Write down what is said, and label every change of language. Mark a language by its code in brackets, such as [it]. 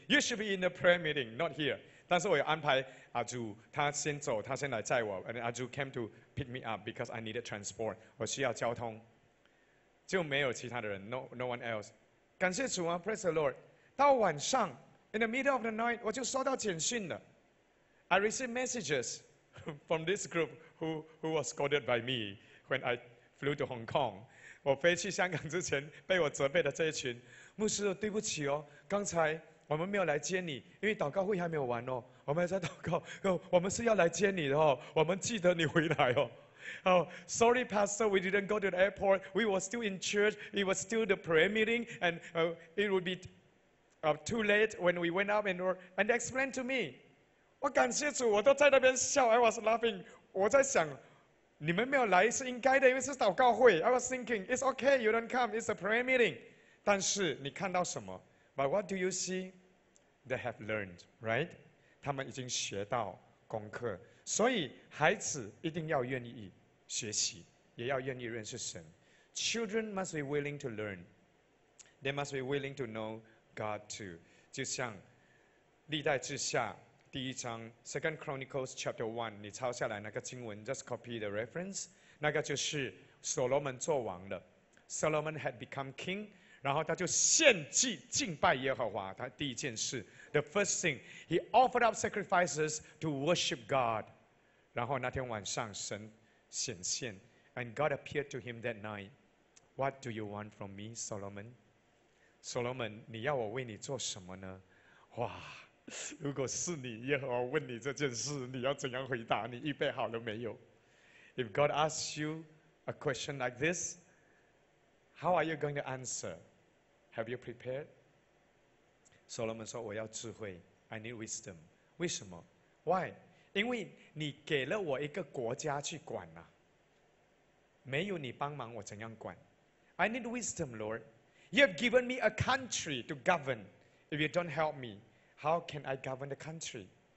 [en] You should be in the prayer meeting, not here [zh] 但是我有安排阿珠他先走他先来载我 [en] And阿珠 came to pick me up because I needed transport [zh] 我需要交通就没有其他的人 [en] no one else [zh] 感谢主啊 [en] Praise the Lord [zh] 到晚上 [en] in the middle of the night, [zh] 我就收到简讯了。 [en] I received messages from this group who was scolded by me when I flew to Hong Kong. [zh] 我飞去香港之前被我责备的这一群，牧师对不起哦，刚才我们没有来接你，因为祷告会还没有完哦，我们还在祷告，我们是要来接你的哦，我们记得你回来哦。 [en] Oh, sorry, Pastor, we didn't go to the airport. We were still in church. It was still the prayer meeting, and it would be too late when we went up and explained to me. [zh] 我感谢主，我都在那边笑 ， [en] I was laughing. [zh] 我在想，你们没有来是应该的，因为是祷告会。 [en] I was thinking, it's okay, you don't come. It's a prayer meeting. [zh] 但是你看到什么 [en] ？But what do you see? They have learned, right? [zh] 他们已经学到功课。所以孩子一定要愿意学习，也要愿意认识神。 [en] Children must be willing to learn. They must be willing to know God too. [zh] 就像历代志下第一章 [en] Second Chronicles chapter 1, [zh] 你抄下来那个经文 [en] just copy the reference. [zh] 那个就是所罗门做王了。 [en] Solomon had become king, [zh] 然后他就献祭敬拜耶和华，他第一件事 [en] The first thing, he offered up sacrifices to worship God. [zh] 然后那天晚上神显现 [en] and God appeared to him that night. What do you want from me, Solomon? Solomon, [zh] 你要我为你做什么呢？哇，如果是你，耶和华问你这件事，你要怎样回答？你预备好了没有？ [en] If God asks you a question like this, how are you going to answer? Have you prepared? Solomon [zh] 说我要智慧 [en] I need wisdom [zh] 为什么 [en] Why? [zh] 因为你给了我一个国家去管、啊、没有你帮忙我怎样管 [en] I need wisdom Lord You have given me a country to govern If you don't help me How can I govern the country?